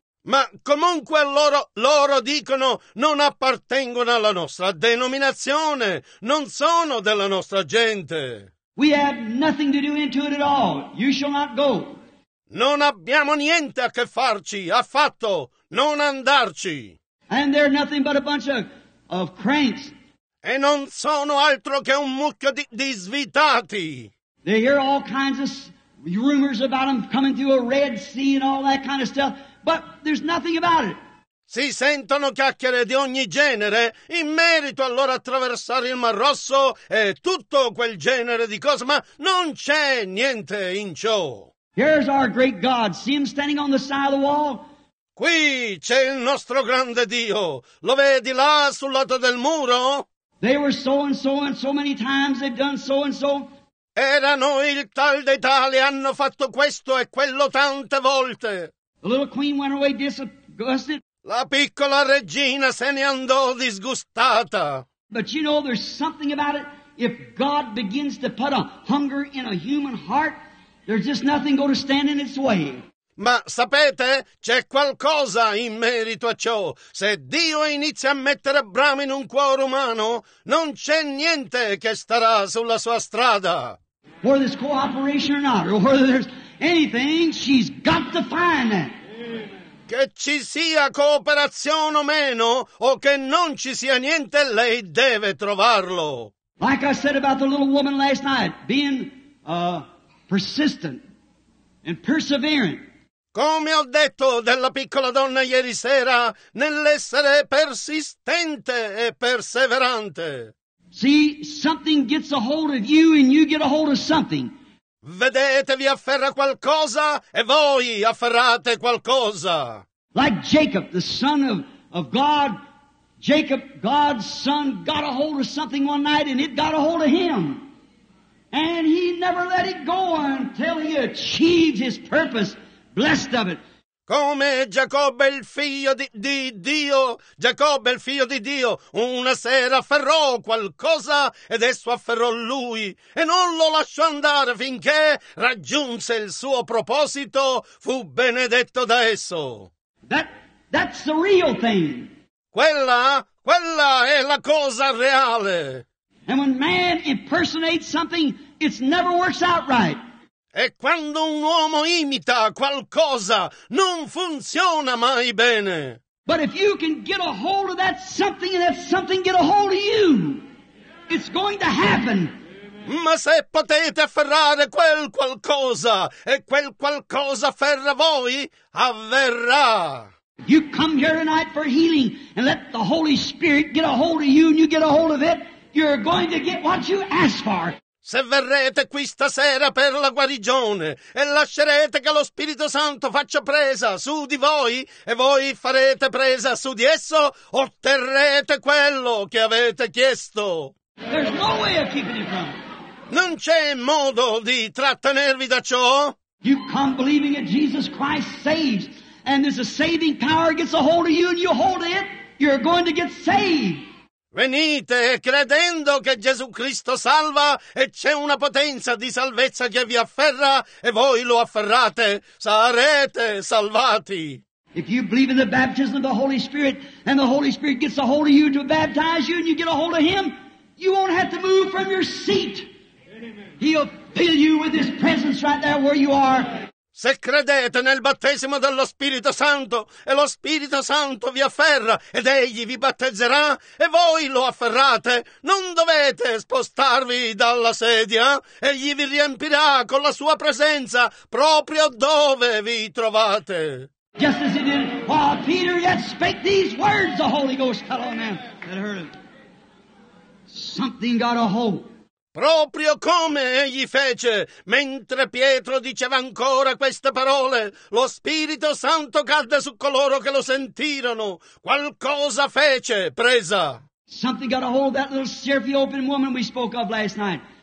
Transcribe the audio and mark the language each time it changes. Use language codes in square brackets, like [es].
[it] Ma comunque loro dicono non appartengono alla nostra denominazione, non sono della nostra gente. [en] We have nothing to do into it at all. You shall not go. [it] Non abbiamo niente a che farci, affatto, non andarci. [en] And they're nothing but a bunch of cranks. [it] E non sono altro che un mucchio di svitati. [en] They hear all kinds of rumors about them coming through a Red Sea and all that kind of stuff. But there's nothing about it. [it] Si sentono chiacchiere di ogni genere in merito a loro attraversare il Mar Rosso e tutto quel genere di cose, ma non c'è niente in ciò. [en] Here's our great God. See him standing on the side of the wall? [it] Qui c'è il nostro grande Dio. Lo vedi là sul lato del muro? [en] They were so and so and so many times they've done so and so. [it] Erano il tal dei tali, hanno fatto questo e quello tante volte. [en] The little queen went away disgusted. [it] La piccola regina se ne andò disgustata. [en] But you know, there's something about it. If God begins to put a hunger in a human heart, there's just nothing going to stand in its way. [it] Ma sapete, c'è qualcosa in merito a ciò. Se Dio inizia a mettere brama in un cuore umano, non c'è niente che starà sulla sua strada. [en] Whether there's cooperation or not, or whether there's anything, she's got to find that. [it] Che ci sia cooperazione o meno, o che non ci sia niente, lei deve trovarlo. [en] Like I said about the little woman last night, being persistent and perseverant. [it] Come ho detto della piccola donna ieri sera, nell'essere persistente e perseverante. [en] See, something gets a hold of you and you get a hold of something. [it] Vedete, vi afferra qualcosa e voi afferrate qualcosa. [en] Like Jacob, the son of God, Jacob, God's son, got a hold of something one night and it got a hold of him. And he never let it go until he achieved his purpose. Blessed of it. [it] Come Giacobbe il figlio di Dio, Giacobbe il figlio di Dio, una sera afferrò qualcosa ed esso afferrò lui e non lo lasciò andare finché raggiunse il suo proposito, fu benedetto da esso. [en] That's the real thing. [it] Quella è la cosa reale. [en] And when man impersonates something, it never works out right. [it] E quando un uomo imita qualcosa, non funziona mai bene. [en] But if you can get a hold of that something and that something get a hold of you, it's going to happen. [it] Ma se potete afferrare quel qualcosa e quel qualcosa afferra voi, avverrà. [en] You come here tonight for healing and let the Holy Spirit get a hold of you and you get a hold of it, you're going to get what you ask for. [it] Se verrete qui stasera per la guarigione e lascerete che lo Spirito Santo faccia presa su di voi e voi farete presa su di esso, otterrete quello che avete chiesto. [en] There's no way of keeping you from it. [it] Non c'è modo di trattenervi da ciò. [en] You come believing that Jesus Christ saves and there's a saving power gets a hold of you and you hold it, you're going to get saved. [it] Venite credendo che Gesù Cristo salva e c'è una potenza di salvezza che vi afferra e voi lo afferrate, sarete salvati. [en] If you believe in the baptism of the Holy Spirit and the Holy Spirit gets a hold of you to baptize you and you get a hold of him, you won't have to move from your seat. He'll fill you with his presence right there where you are. [it] Se credete nel battesimo dello Spirito Santo e lo Spirito Santo vi afferra ed egli vi battezzerà e voi lo afferrate, non dovete spostarvi dalla sedia, egli vi riempirà con la sua presenza proprio dove vi trovate. [en] Just as he did while Peter yet spake these words, the Holy Ghost fell on them that heard it. Something got a hold. [it] Proprio come egli fece, mentre Pietro diceva ancora queste parole, lo Spirito Santo cadde su coloro che lo sentirono. Qualcosa fece, presa. [en] Something got a hold of that little syrupy open woman we spoke of last night.